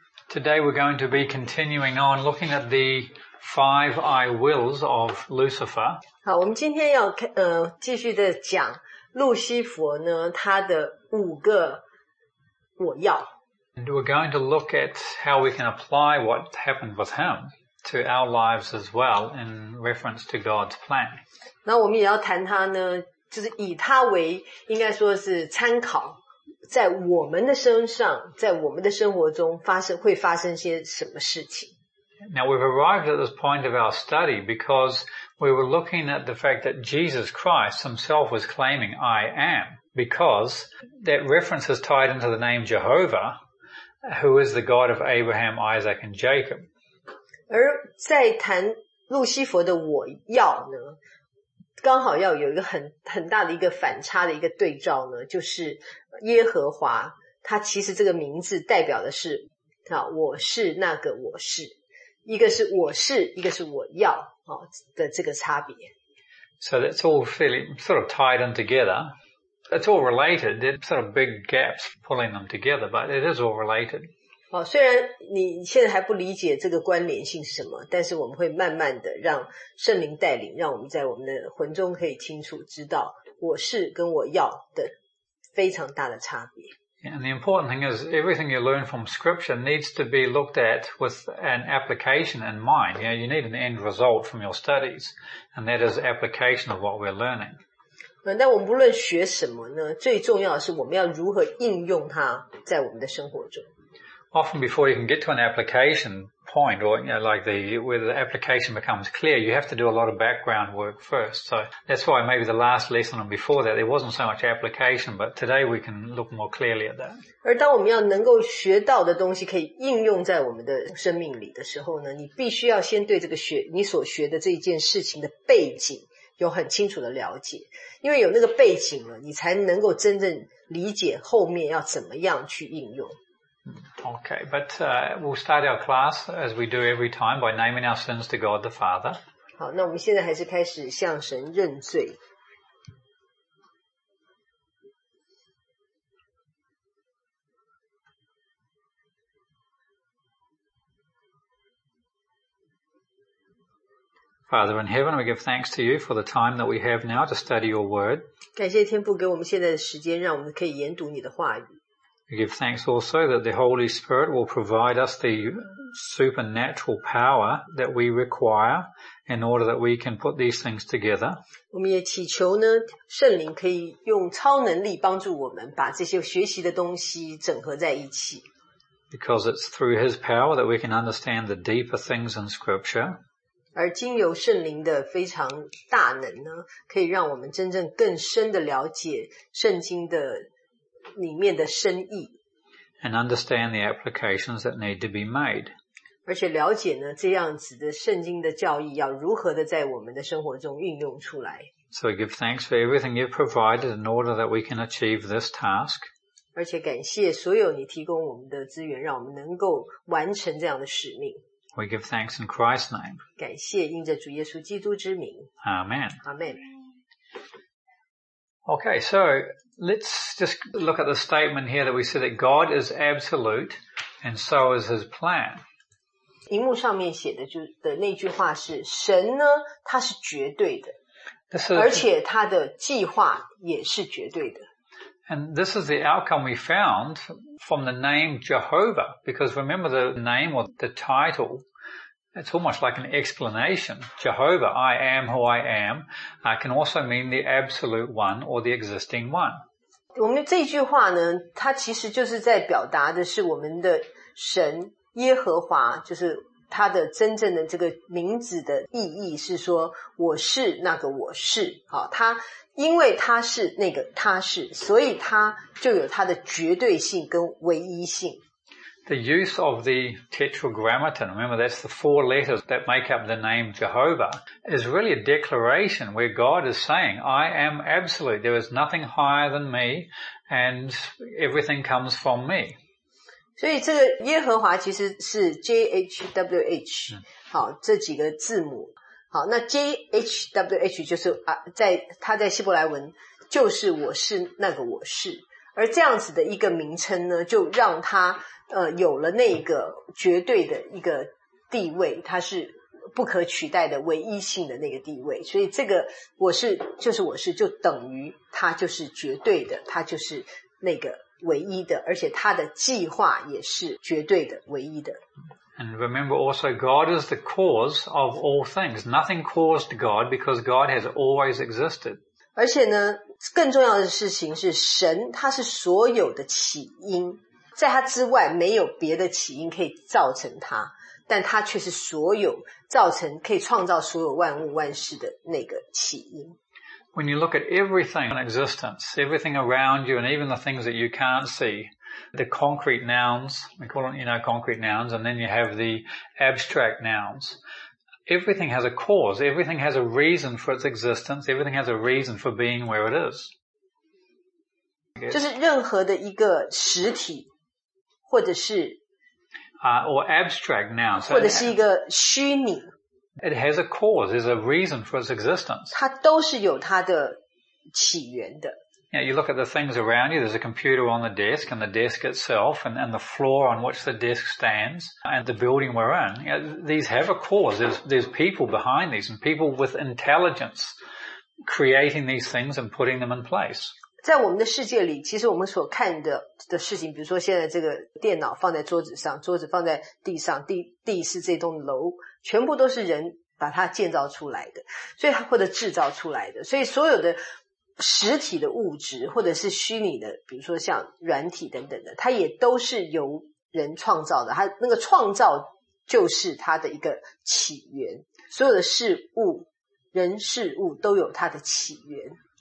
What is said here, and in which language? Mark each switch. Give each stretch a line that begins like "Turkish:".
English: Today we're going to be continuing on looking at the five I wills of Lucifer.
Chinese: 好，我们今天要继续的讲路西佛呢，他的五个我要。
English: And we're going to look at how we can apply what happened with him to our lives as well in reference to God's plan.
Chinese: 那我们也要谈他呢。就是以他为应该说是参考在我们的身上在我们的生活中发生会发生些什么事情。
English: Now we've arrived at this point of our study because we were looking at the fact that Jesus Christ himself was claiming I am because that reference is tied into the name Jehovah who is the God of Abraham, Isaac and Jacob.
Chinese: 而在谈路西佛的我要呢刚好要有一个 很大的一个反差的一个对照呢就是耶和华他其实这个名字代表的是我是那个我是一个是我是一个是我要的这个差别。
English: So that's all fairly sort of tied in together. It's all related. There's sort of big gaps pulling them together, but it is all related.
Chinese: 好虽然你现在还不理解这个关联性是什么但是我们会慢慢的让圣灵带领让我们在我们的魂中可以清楚知道我是跟我要的非常大的差别。
English: Yeah, and the important thing is everything you learn from scripture needs to be looked at with an application in mind. You know, you need an end result from your studies, and that is application of what we're learning.
Chinese: 那我们不论学什么呢最重要的是我们要如何应用它在我们的生活中。
English: Often before you can get to an application point or, you know, like the, where the application becomes clear, you have to do a lot of background work first. So that's why maybe the last lesson and before that, there wasn't so much application, but today we can look more clearly at that.
Chinese: 而当我们要能够学到的东西可以应用在我们的生命里的时候呢你必须要先对这个学你所学的这一件事情的背景有很清楚的了解。因为有那个背景了你才能够真正理解后面要怎么样去应用。
English: Okay, but we'll start our class as we do every time by naming our sins to God the Father.
Chinese: 好，那我们现在还是开始向神认罪。
English: Father in heaven, we give thanks to you for the time that we have now to study your word.
Chinese: 感谢天父给我们现在的时间，让我们可以研读你的话语。
English: We give thanks also that the Holy Spirit will provide us the supernatural power that we require in order that we can put these things together.
Chinese: 我们也祈求呢，圣灵可以用超能力帮助我们把这些学习的东西整合在一起。
English: Because it's through His power that we can understand the deeper things in Scripture.
Chinese: 而经由圣灵的非常大能呢，可以让我们真正更深的了解圣经的里面的深意
English: and understand the applications that need to be made.
Chinese: 而且了解呢这样子的圣经的教义要如何的在我们的生活中运用出来。
English: So we give thanks for everything you've provided in order that we can achieve this task.
Chinese: 而且感谢所有你提供我们的资源让我们能够完成这样的使命。
English: We give thanks in Christ's name.
Chinese: 感谢应着主耶稣基督之名。
English: Amen. Amen. Okay, so let's just look at the statement here that we said that God is absolute and so is his plan.
Chinese: 荧幕上面写的就的那句话是神呢他是绝对的
English: this is,
Chinese: 而且他的计划也是绝对的。
English: And this is the outcome we found from the name Jehovah, because remember the name or the title,It's almost like an explanation. Jehovah, I am who I am, can also mean the absolute one or the existing one.
Chinese: 我们这句话呢它其实就是在表达的是我们的神耶和华就是他的真正的这个名字的意义是说我是那个我是。好他因为他是那个他是所以他就有他的绝对性跟唯一性。
English: The use of the tetragrammaton, remember that's the four letters that make up the name Jehovah, is really a declaration where God is saying, I am absolute, there is nothing higher than me, and everything comes from me.
Chinese: 所以这个耶和华其实是 J-H-W-H, 好这几个字母。好那 J-H-W-H 就是在它在希伯来文就是我是那个我是。而这样子的一个名称呢，就让他有了那个绝对的一个地位，他是不可取代的唯一性的那个地位。所以这个我是就等于他就是绝对的，他就是那个唯一的，而且他的计划也是绝对的唯一的。
English: And remember also, God is the cause of all things. Nothing caused God because God has always existed.
Chinese: 而且呢，更重要的事情是神他是所有的起因，在他之外没有别的起因可以造成他，但他却是所有造成可以创造所有万物万事的那个起因。
English: When you look at everything in existence, everything around you and even the things that you can't see,the concrete nouns, we call them, you know, concrete nouns, and then you have the abstract nouns. Everything has a cause. Everything has a reason for its existence. Everything has a reason for being where it is.
Chinese: 就是任何的一个实体或者是、
English: or abstract nouns.
Chinese: 或者是一个虚拟。
English: It has a cause. There's a reason for its existence.
Chinese: 它都是有它的起源的。
English: Yeah, you look at the things around you, there's a computer on the desk and the desk itself and the floor on which the desk stands and the building we're in. Yeah, these have a cause. There's people behind these and people with intelligence creating these things and putting them in place.
Chinese: 在我们的世界里，其实我们所看的事情，比如说现在这个电脑放在桌子上，桌子放在地上，地是这栋楼，全部都是人把它建造出来的，所以或者制造出来的，所以所有的实体的物质或者是虚拟的，比如说像软体等等的，它也都是由人创造的，它那个创造就是它的一个起源，所有的事物人事物都有它的起源。